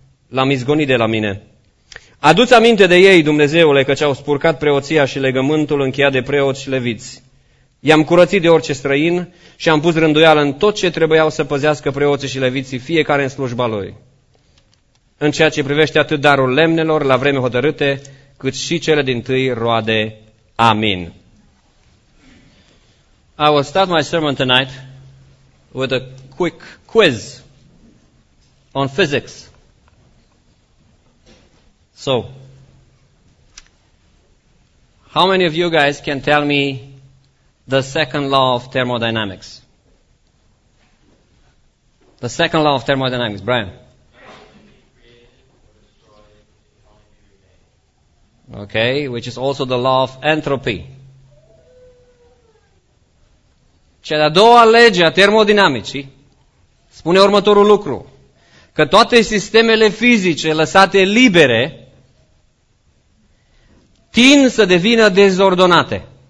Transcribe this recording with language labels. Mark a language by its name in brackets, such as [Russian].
[Romanian] L-am izgonit de la mine. Adu-ți aminte de ei, Dumnezeule, căci au spurcat preoția și legământul încheiat de preoți și leviți. I-am curățit de orice străin și am pus rânduială în tot ce trebuiau să păzească preoții și leviții, fiecare în slujba lui. În ceea ce privește atât darul lemnelor la vreme hotărâte, cât și cele din tâi roade. Amin. [English] I will start my sermon tonight with a quick quiz on physics. So, how many of you guys can tell me the second law of thermodynamics? The second law of thermodynamics, Brian. Okay, which is also the law of entropy. [Romanian] Cea de-a doua lege a termodinamicii spune următorul lucru, că toate sistemele fizice lăsate libere tind să devină dezordonate.